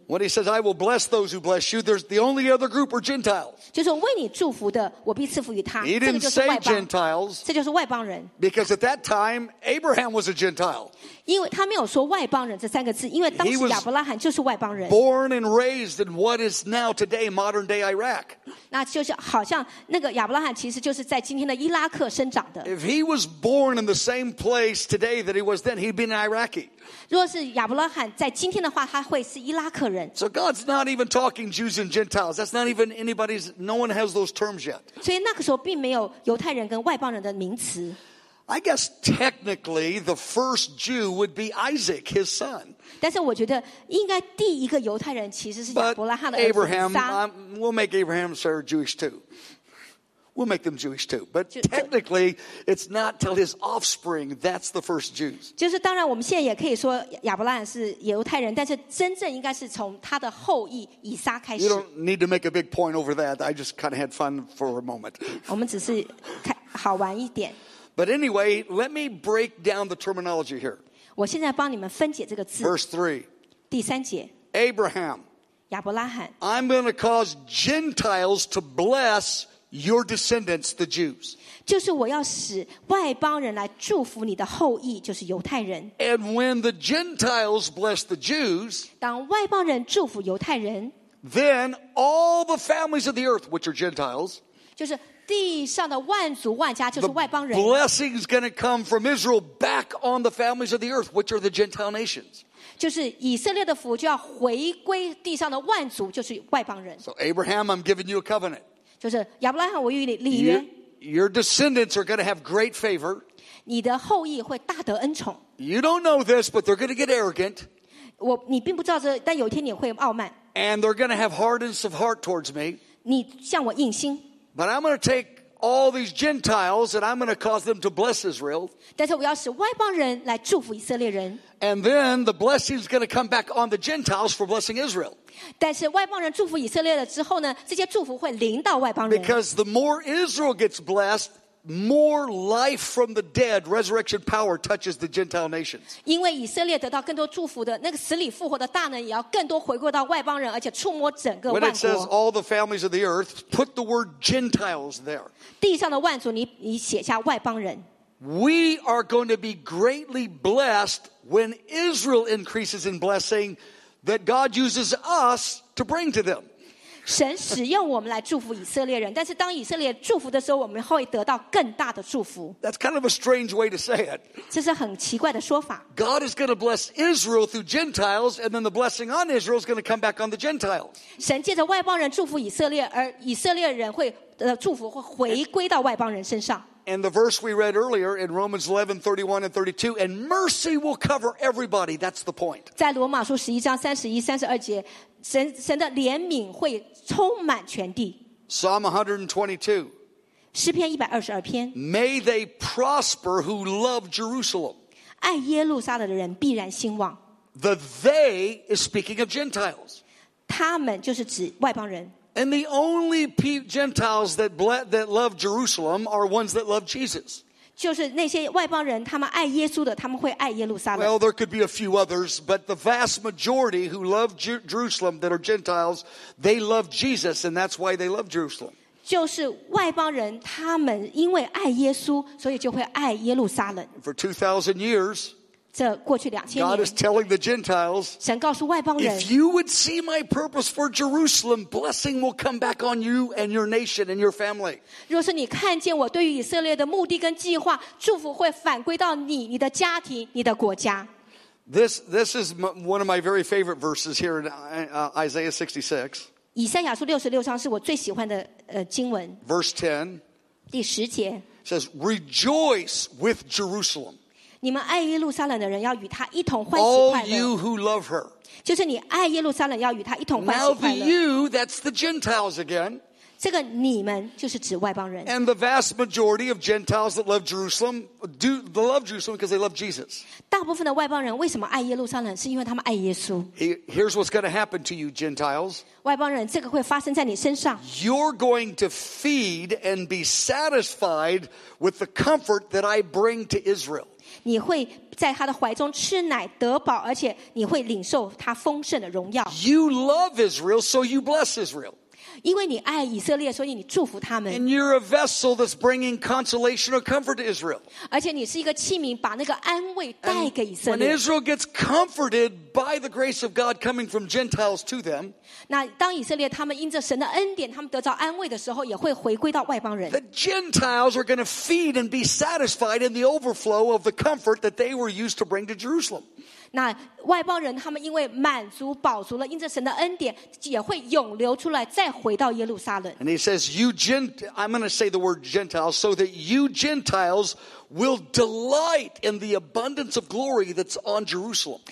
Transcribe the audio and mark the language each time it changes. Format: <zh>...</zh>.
<en>When he says, "I will bless those who bless you," there's the only other group are Gentiles.</en> <zh>就是为你祝福的，我必赐福于他。</zh> <en>He didn't say Gentiles.</en> <zh>这就是外邦人。</zh> <en>Because at that time, Abraham was a Gentile.</en> <zh>因为他没有说外邦人这三个字，因为当时亚伯拉罕就是外邦人。</zh> <en>Born and raised in what is now today modern day Iraq.</en> <zh>那就是好像那个亚伯拉罕其实就是在今天的伊拉克生长的。</zh> <en>If he was born in the same place today that he was then, he'd be an Iraqi.</en> <zh>若是亚伯拉罕在今天的话，他会是伊拉克人。</zh> <en>So God's not even talking Jews and Gentiles. That's not even anybody's. No one has those terms yet.</en> <zh>所以那个时候并没有犹太人跟外邦人的名词。</zh> <en>I guess technically the first Jew would be Isaac, his son.</en> <zh>但是我觉得应该第一个犹太人其实是亚伯拉罕的儿子。</zh> <en>Abraham, we'll make Abraham sir Jewish too. We'll make them Jewish too. But technically, it's not till his offspring that's the first Jews.</en> <zh>就是当然我们现在也可以说亚伯拉罕是犹太人但是真正应该是从他的后裔以撒开始。</zh> <en>You don't need to make a big point over that. I just kind of had fun for a moment.</en> <zh>我们只是好玩一点。</zh> <en>But anyway, let me break down the terminology here.</en> <zh>我现在帮你们分解这个字。</zh> <en>Verse 3.</en> <zh>第三节。</zh> <en>Abraham.</en> <zh>亚伯拉罕。</zh> <en>I'm going to cause Gentiles to bless Your descendants, the Jews.</en> <zh>就是我要使外邦人来祝福你的后裔，就是犹太人。</zh> <en>And when the Gentiles bless the Jews,</en> <zh>当外邦人祝福犹太人</zh> <en>then all the families of the earth, which are Gentiles,</en> <zh>就是地上的万族万家就是外邦人。</zh> <en>The blessing is going to come from Israel back on the families of the earth, which are the Gentile nations.</en> <zh>就是以色列的福就要回归地上的万族，就是外邦人。</zh> <en>So Abraham, I'm giving you a covenant.</en> <zh>就是亚伯拉罕，我与你立约。</zh> <en>Your descendants are going to have great favor.</en> <zh>你的后裔会大得恩宠。</zh> <en>You don't know this, but they're going to get arrogant.</en> <zh>我你并不知道这，但有一天你会傲慢。</zh> <en>And they're going to have hardness of heart towards me.</en> <zh>你向我硬心。</zh> <en>But I'm going to take all these Gentiles, and I'm going to cause them to bless Israel.</en> <zh>但是我要使外邦人来祝福以色列人。</zh> <en>And then the blessing is going to come back on the Gentiles for blessing Israel.</en> <zh>但是外邦人祝福以色列了之后呢，这些祝福会临到外邦人。</zh> <en>Because the more Israel gets blessed, more life from the dead, resurrection power touches the Gentile nations.</en> <zh>因为以色列得到更多祝福的那个死里复活的大能，也要更多回归到外邦人，而且触摸整个万国。</zh> <en>When it says all the families of the earth, put the word Gentiles there.</en> <zh>地上的万族，你写下外邦人。</zh> <en>We are going to be greatly blessed when Israel increases in blessing. That God uses us to bring to them.</en> <zh>神使用我们来祝福以色列人，但是当以色列祝福的时候，我们会得到更大的祝福。</zh> <en>That's kind of a strange way to say it.</en> <zh>这是很奇怪的说法。</zh> <en>God is going to bless Israel through Gentiles, and then the blessing on Israel is going to come back on the Gentiles.</en> <zh>神借着外邦人祝福以色列，而以色列人会祝福会回归到外邦人身上。</zh> <en>And the verse we read earlier in Romans 11, 31 and 32, and mercy will cover everybody. That's the point.</en> <zh>在罗马书11章31、32节，神的怜悯会充满全地。</zh> <en>Psalm 122.</en> <zh>诗篇122篇。</zh> <en>May they prosper who love Jerusalem.</en> <zh>爱耶路撒冷的人必然兴旺。</zh> <en>The they is speaking of Gentiles.</en> <zh>他们就是指外邦人。</zh> <en>And the only Gentiles that love Jerusalem are ones that love Jesus.</en> <zh>就是那些外邦人，他们爱耶稣的，他们会爱耶路撒冷。</zh> <en>Well, there could be a few others, but the vast majority who love Jerusalem that are Gentiles, they love Jesus, and that's why they love Jerusalem.</en> <zh>就是外邦人，他们因为爱耶稣，所以就会爱耶路撒冷。</zh> <en>For 2,000 years,</en> <zh>这过去两千年</zh> <en>God is telling the Gentiles,</en> <zh>神告诉外邦人</zh> <en>If you would see my purpose for Jerusalem, blessing will come back on you and your nation and your family.</en> <zh>若是你看见我对于以色列的目的跟计划，祝福会反归到你、你的家庭、你的国家。</zh> <en>This is one of my very favorite verses here in Isaiah 66.</en> <zh>以赛亚书66章是我最喜欢的经文。</zh> <en>Verse 10.</en> <zh>第十节</zh> <en>says, Rejoice with Jerusalem.</en> <zh>你们爱耶路撒冷的人要与他一同欢喜快乐。</zh> <en>All you who love her.</en> <zh>就是你爱耶路撒冷要与他一同欢喜快乐。</zh> <en>Now the you, that's the Gentiles again.</en> <zh>这个你们就是指外邦人。</zh> <en>And the vast majority of Gentiles that love Jerusalem do love Jerusalem because they love Jesus.</en> <zh>大部分的外邦人为什么爱耶路撒冷是因为他们爱耶稣。</zh> <en>Here's what's going to happen to you, Gentiles.</en> <zh>外邦人这个会发生在你身上。</zh> <en>You're going to feed and be satisfied with the comfort that I bring to Israel.</en> <zh>你会在他的怀中吃奶得饱，而且你会领受他丰盛的荣耀。</zh> <en>You love Israel, so you bless Israel.</en> <zh>因为你爱以色列，所以你祝福他们。</zh> <en>And you're a vessel that's bringing consolation or comfort to Israel.</en> <zh>而且你是一个器皿，把那个安慰带给以色列。</zh> <en>And when Israel gets comforted by the grace of God coming from Gentiles to them,</en> <zh>那当以色列他们因着神的恩典，他们得到安慰的时候，也会回归到外邦人。</zh> <en>The Gentiles are going to feed and be satisfied in the overflow of the comfort that they were used to bring to Jerusalem.</en> <zh>那外邦人他们因为满足饱足了因着神的恩典也会涌流出来再回到耶路撒冷</zh> <en>And he says you I'm going to say the word Gentiles so that you Gentiles will delight in the abundance of glory that's on Jerusalem</en>